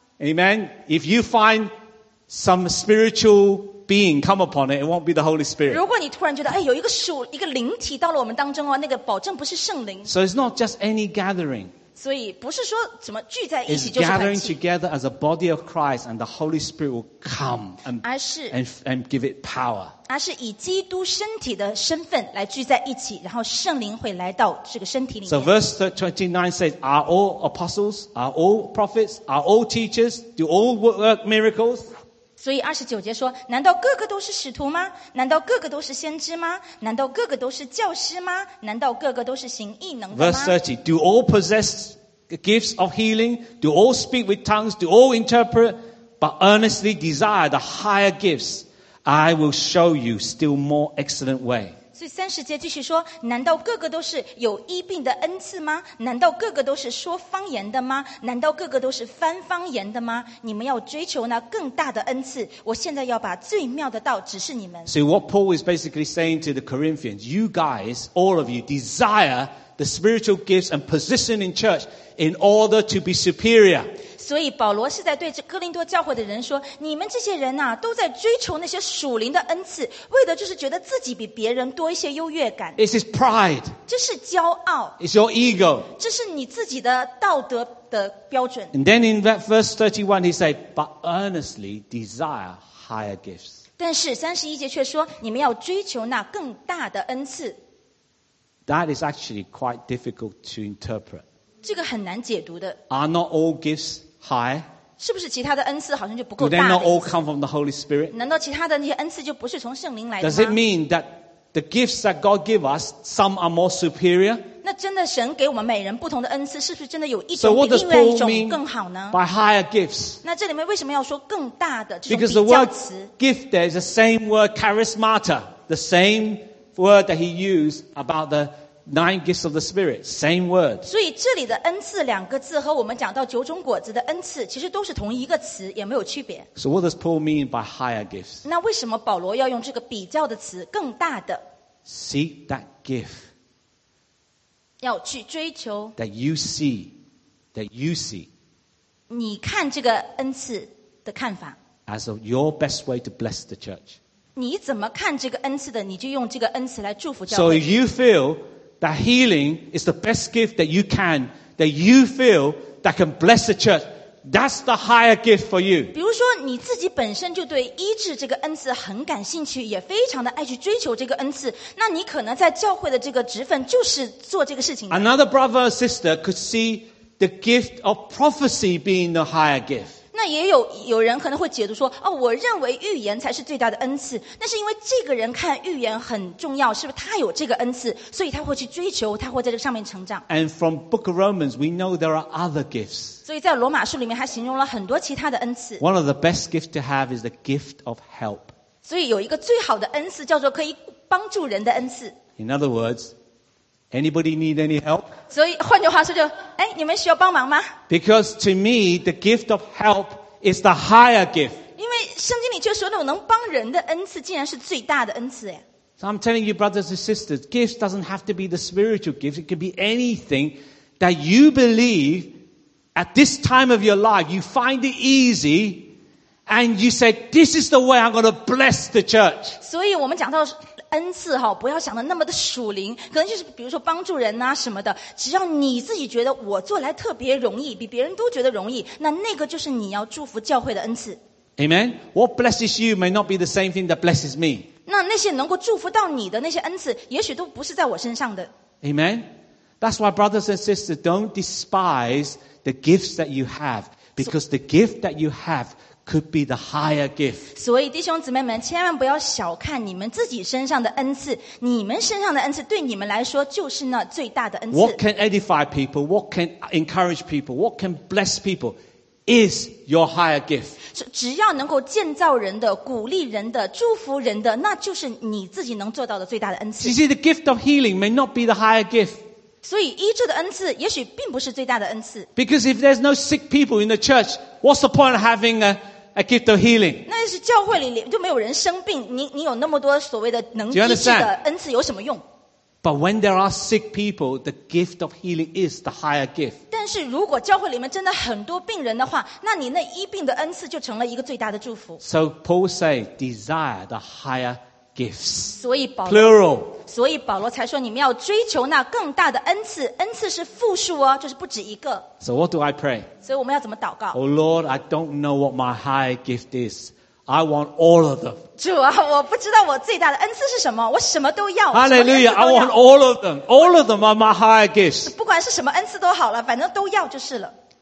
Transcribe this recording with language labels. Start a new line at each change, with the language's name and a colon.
English: ？Amen. If you find some spiritual being come upon it, it won't be the Holy Spirit.
Chinese: 如果你突然觉得哎有一个灵体到了我们当中哦，那个保证不是圣灵。
English: So it's not just any gathering.
Chinese: 所以不是说怎么聚在一起就是团契
English: It's gathering together as a body of Christ and the Holy Spirit will come and give it power.
Chinese: 而是以基督身体的身份来聚在一起然后圣灵会来到这个身体里面。
English: So verse 29 says, Are all apostles? Are all prophets? Are all teachers? Do all work miracles?
Chinese: 所以29节说难道个个都是使徒吗难道个个都是先知吗难道个个都是教师吗难道个个都是行异能的吗
English: Verse 30 Do all possess gifts of healing? Do all speak with tongues? Do all interpret? But earnestly desire the higher gifts. I will show you still more excellent way.
Chinese: 所以30节继续说难道个个都是有医病的恩赐吗难道个个都是说方言的吗难道个个都是翻方言的吗你们要追求那更大的恩赐我现在要把最妙的道指示你们
English: So what Paul is basically saying to the Corinthians you guys all of you desire the spiritual gifts and position in church in order to be superior
Chinese: 所以保罗是在对哥林多教会的人说你们这些人啊都在追求那些属灵的恩赐为的就是觉得自己比别人多一些优越感
English: This is pride
Chinese: 这是骄傲
English: It's your ego
Chinese: 这是你自己的道德的标准
English: And then in that verse 31 he said but earnestly desire higher gifts
Chinese: 但是31节却说你们要追求那更大的恩赐
English: That is actually quite difficult to interpret.
Chinese: 这个很难解读的。
English: Are not all gifts high?
Chinese: 是不是其他的恩赐好像就不够大？
English: Do they not all come from the Holy Spirit?
Chinese: 难道其他的那些恩赐就不是从圣灵来的吗
English: ？Does it mean that the gifts that God give us, some are more superior?
Chinese: 那真的神给我们每人不同的恩赐，是不是真的有一种比另外一种更好呢
English: ？By higher gifts.
Chinese: 那这里面为什么要说更大的这种比较词
English: ？Because the word gift there is the same word charismata, the same word that he used about the nine gifts of the Spirit, same word.
Chinese: 所以这里的恩赐两个字和我们讲到九种果子的恩赐其实都是同一个词，也没有区别。
English: So what does Paul mean by higher gifts?
Chinese: 那为什么保罗要用这个比较的词，更大的？
English: Seek that gift.
Chinese: 要去追求。
English: That you see, that you see.
Chinese: 你看这个恩赐的看法。
English: As of your best way to bless the church.
Chinese: 你怎么看这个恩赐的，你就用这个恩赐来祝福教会。
English: So if you feel that healing is the best gift that you can, that you feel that can bless the church, that's the higher gift for you.
Chinese: 比如说你自己本身就对医治这个恩赐很感兴趣，也非常的爱去追求这个恩赐，那你可能在教会的这个职分就是做这个事情。
English: Another brother or sister could see the gift of prophecy being the higher gift.
Chinese: 那也有人可能会解读说，哦，我认为预言才是最大的恩赐，那是因为这个人看预言很重要，是不是他有这个恩赐，所以他会去追求，他会在这上面成长。
English: And from Book of Romans, we know there are other gifts.
Chinese: 所以在罗马书里面，他形容了很多其他的恩赐。
English: One of the best gifts to have is the gift of help.
Chinese: 所以有一个最好的恩赐叫做可以帮助人的恩赐。
English: In other words, anybody need any help?
Chinese: 所以换句话说就，哎，你们需要帮忙吗？
English: Because to me, the gift of help is the higher gift.
Chinese: 因为圣经里却说那种能帮人的恩赐竟然是最大的恩赐耶。
English: So I'm telling you, brothers and sisters, gifts doesn't have to be the spiritual gift. It could be anything that you believe at this time of your life, you find it easy, and you say, this is the way I'm going to bless the church.
Chinese: 所以我们讲到恩赐哈，不要想的那么的属灵，可能就是比如说帮助人啊什么的，只要你自己觉得我做来特别容易，比别人都觉得容易，那个就是你要祝福教会的恩赐。
English: Amen. What blesses you may not be the same thing that blesses me.
Chinese: 那些能够祝福到你的那些恩赐，也许都不是在我身上的。
English: Amen. That's why brothers and sisters don't despise the gifts that you have, because the gift that you have could be the higher gift.
Chinese: 所以弟兄姊妹们千万不要小看你们自己身上的恩赐，你们身上的恩赐对你们来说就是那最大的恩赐。
English: What can edify people, what can encourage people, what can bless people is your higher gift.
Chinese: 只要能够建造人的，鼓励人的，祝福人的，那就是你自己能做到的最大的恩赐。
English: You see, the gift of healing may not be the higher gift.
Chinese: 所以医治的恩赐也许并不是最大的恩赐。
English: Because if there's no sick people in the church, what's the point of having a gift of healing?
Chinese: 那是教会里就没有人生病，你有那么多所谓的能医治的恩赐有什么用？
English: But when there are sick people, the gift of healing is the higher gift.
Chinese: 但是如果教会里面真的很多病人的话，那你那医病的恩赐就成了一个最大的祝福。
English: So Paul say, desire the higher gifts.
Chinese: 所以保罗
English: plural.
Chinese: 所以保罗才说你们要追求那更大的恩赐，恩赐是复数哦，就是不止一个。
English: So what do I pray?
Chinese: 所以我们要怎么祷告？
English: Oh Lord, I don't know what my high gift is. I want all of them.
Chinese: 主啊，我不知道我最大的恩赐是什么，我什么都要。
English: Hallelujah, I want all of them. All of them are my high gifts.
Chinese: 不管是什么恩赐都好了，反正都要就是了。